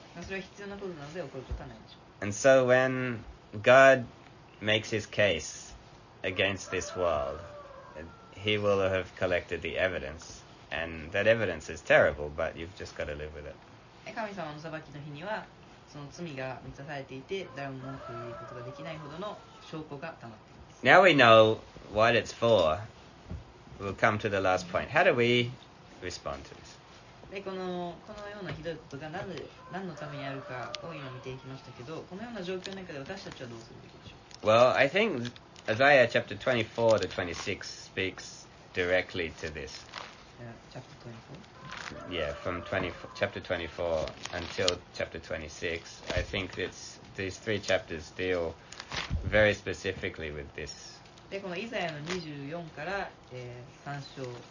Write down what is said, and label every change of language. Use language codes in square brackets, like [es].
[ja] それは必要なことなので怒ることはないでしょう。 [en] And so when God makes his case against this world,He will have collected the evidence, and that evidence is terrible, but you've just got to live with it. [ja] 神様の裁きの日にはその罪が満たされていて誰も文句言うことができないほどの証拠が溜まっています。 [en] Now we know what it's for, we'll come to the last point. How do we respond to this? [ja] このようなひどいことが何のためにあるかを今見ていきましたけど、このような状況の中で私たちはどうするべきでしょう。 [en] Well, I thinkIsaiah chapter 24 to 26 speaks directly to this. Chapter 24? Yeah, from chapter 24 until chapter 26. I think it's, these three chapters deal very specifically with this. [ja] で、このイザヤの24から、3章。